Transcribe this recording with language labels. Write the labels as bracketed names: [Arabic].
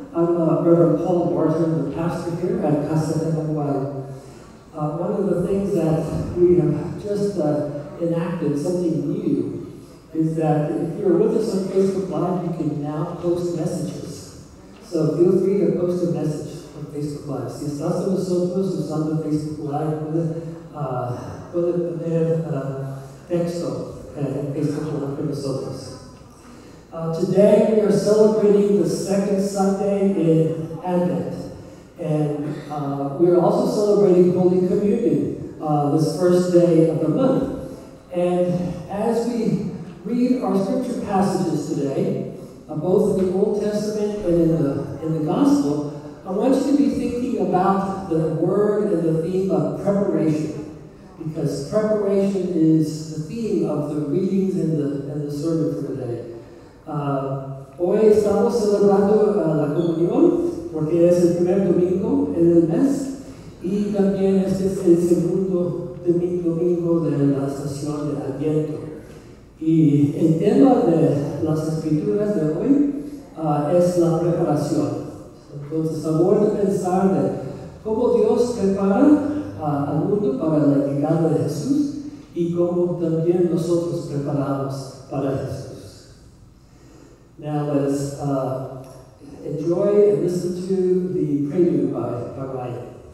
[English] I'm Reverend Paul Barton, the pastor here at Casa. One of the things that we have just enacted, something new, is that if you're with us on Facebook Live, you can now post messages. So feel free to post a message on Facebook Live. [Spanish] Si estás en nosotros, usando Facebook Live, puede poner texto en Facebook Live para nosotros. [English] Today we are celebrating the second Sunday in Advent. And we are also celebrating Holy Communion this first day of the month. And as we read our scripture passages today, both in the Old Testament and in the Gospel, I want you to be thinking about the word and the theme of preparation, because preparation is the theme of the readings and the sermon for today. [Spanish] Hoy estamos celebrando la comunión, porque es el primer domingo en el mes, y también este es el segundo domingo de la estación de Adviento. Y el tema de las escrituras de hoy es la preparación. Entonces, amor de pensar de cómo Dios prepara al mundo para la llegada de Jesús y cómo también nosotros preparamos para Jesús. [English] Now let's enjoy and listen to the prelude by Ryan.